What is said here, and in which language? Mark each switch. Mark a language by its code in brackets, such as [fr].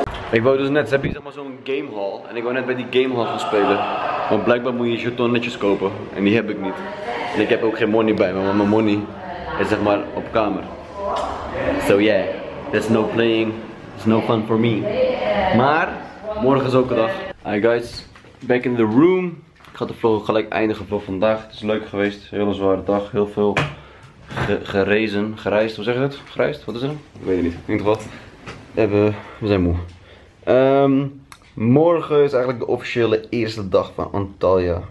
[nl] Ik wou dus net, ze hebben hier zeg maar zo'n game hall en ik wou net bij die game hall gaan spelen. Want blijkbaar moet je jeton netjes kopen en die heb ik niet. En ik heb ook geen money bij me, want mijn money is zeg maar op kamer. [en] So yeah, there's no playing, there's no fun for me. [nl] Maar, morgen is ook een dag. [en] Hi guys, back in the room. [nl] Ik ga de vlog gelijk eindigen voor vandaag. Het is leuk geweest, heel een zware dag, heel veel gereisd, hoe zeg je dat? Gereisd, wat is er? Ik weet het niet, in ieder geval. We zijn moe. Morgen is eigenlijk de officiële eerste dag van Antalya.